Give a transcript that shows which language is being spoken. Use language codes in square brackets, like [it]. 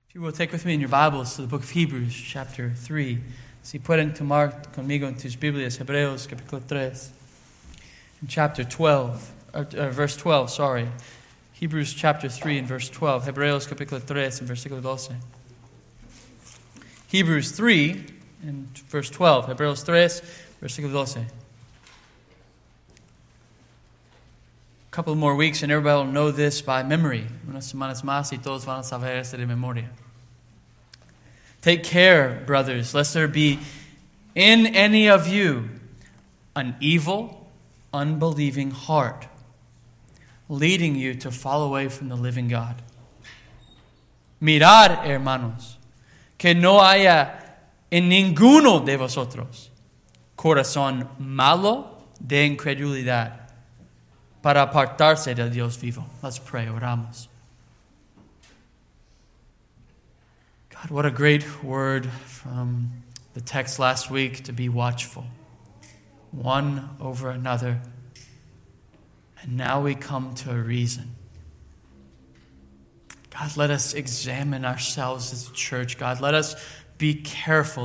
[en] You will take with me in your Bibles to the book of Hebrews, chapter 3. [es] Si pueden tomar conmigo en tus Biblias, Hebreos, capítulo 3. [en] In chapter 12, verse 12, sorry. Hebrews, chapter 3, and verse 12. [es] Hebreos, capítulo 3, and versículo 12. [en] Hebrews 3, and verse 12. [es] Hebreos 3, versículo 12. [en] A couple more weeks, and everybody will know this by memory. [es] Unas semanas más, y todos van a saber esto de memoria. [en] Take care, brothers, lest there be in any of you an evil, unbelieving heart leading you to fall away from the living God. [es] Mirad, hermanos, que no haya en ninguno de vosotros corazón malo de incredulidad para apartarse del Dios vivo. [en] Let's pray, [es] oramos. [en] God, what a great word from the text last week to be watchful, one over another. And now we come to a reason. God, let us examine ourselves as a church. God, let us be careful.